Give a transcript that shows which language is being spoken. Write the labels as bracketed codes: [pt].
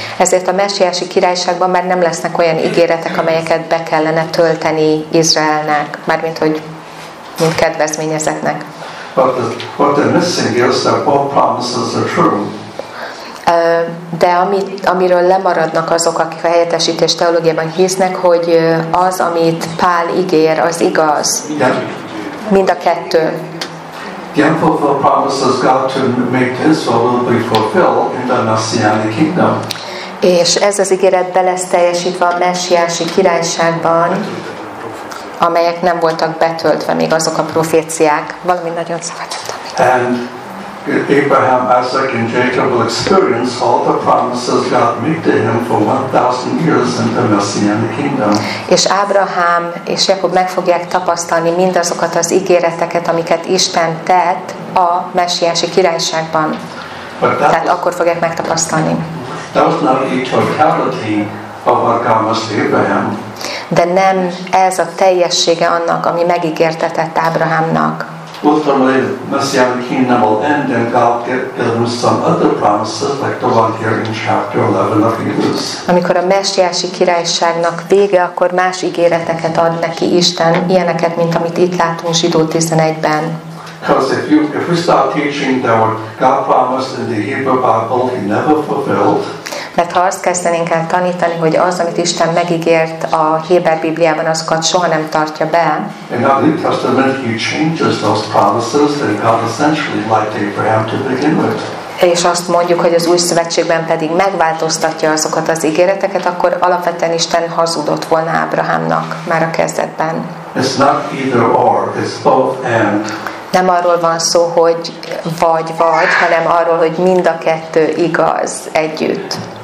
[hu] Ezért a messiási királyságban már nem lesznek olyan ígéretek, amelyeket be kellene tölteni Izraelnek, mármint hogy mind kedvezményezetnek. [en] But what they're missing is that all promises are true. [hu] De amiről lemaradnak azok, akik a helyettesítés teológiában hisznek, hogy az, amit Pál ígér, az igaz. Mind a kettő. [en] The unfulfilled promises God to make to Israel will be fulfilled in the Messianic kingdom. [hu] És ez az ígéret be lesz teljesítve a messiási királyságban, amelyek nem voltak betöltve még azok a proféciák. Valami nagyon szabadultam. [en] And Abraham, Isaac and Jacob will experience all the promises God made to him for 1,000 years in the Messianic kingdom. [hu] És Ábrahám és Jakob meg fogják tapasztalni mindazokat az ígéreteket, amiket Isten tett a messiási királyságban. Tehát akkor fogják megtapasztalni. [en] That was not the totality of what God promised Abraham. [hu] De nem ez a teljessége annak, ami megígértetett Ábrahámnak. [en] Ultimately, the Messianic kingdom will end and God gives some other promises like the one here in chapter 11 of Hebrews. [hu] Amikor a messiási királyságnak vége, akkor más ígéreteket ad neki Isten, ilyeneket, mint amit itt látunk Zsidó 11-ben. [en] Because if we start teaching that what God promised in the Hebrew Bible, He never fulfilled. [hu] Mert ha azt kezdenénk el tanítani, hogy az, amit Isten megígért a Héber Bibliában, azokat soha nem tartja be. [en] In the New Testament, He changes those promises that God essentially lied to Abraham to begin with. [hu] És azt mondjuk, hogy az Új Szövetségben pedig megváltoztatja azokat az ígéreteket, akkor alapvetően Isten hazudott volna Ábrahámnak már a kezdetben. [en] It's not either or, it's both and. [hu] Nem arról van szó, hogy vagy, hanem arról, hogy mind a kettő igaz együtt.